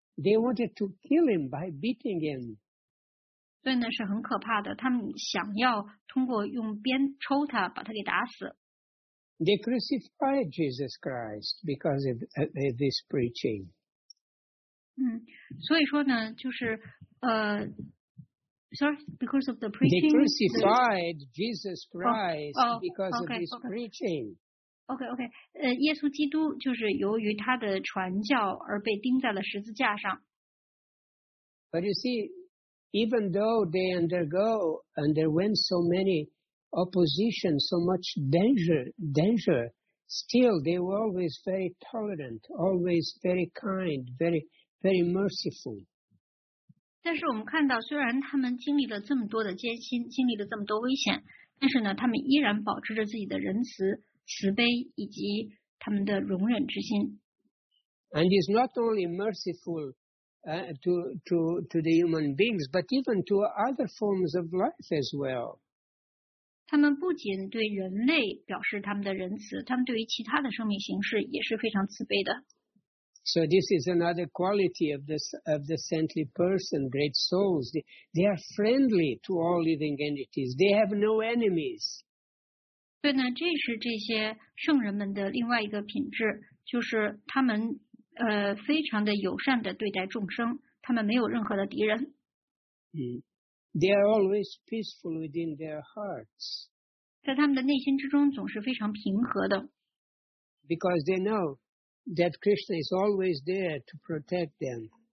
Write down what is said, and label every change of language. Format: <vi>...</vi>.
<en>They wanted to kill him by beating him.</en> <zh>所以呢是很可怕的，他们想要通过用鞭抽他，把他给打死。</zh> <en>They crucified Jesus Christ because of this preaching.</en> <zh>所以说呢，就是</zh> <en>because of the preaching. They crucified Jesus Christ because of this preaching. OK.</en> <zh>耶稣基督就是由于他的传教而被钉在了十字架上。</zh> <en>But you see, even though they underwent so many opposition, so much danger, still they were always very tolerant, always very kind, very merciful.</en> <zh>但是我们看到，虽然他们经历了这么多的艰辛，经历了这么多危险，但是呢，他们依然保持着自己的仁慈、慈悲以及他们的容忍之心。</zh> <en>And is not only merciful to the human beings, but even to other forms of life as well.</en> <zh>他们不仅对人类表示他们的仁慈，他们对于其他的生命形式也是非常慈悲的。</zh> <en>So this is another quality of the saintly person, great souls. They are friendly to all living entities. They have no enemies.</en> <zh>所以呢，这是这些圣人们的另外一个品质，就是他们非常的友善的对待众生，他们没有任何的敌人。</zh> <en>They are always peaceful within their hearts.</en> <zh>在他们的内心之中总是非常平和的。</zh> <en>Because they know. That Krishna is always there to protect them.</en>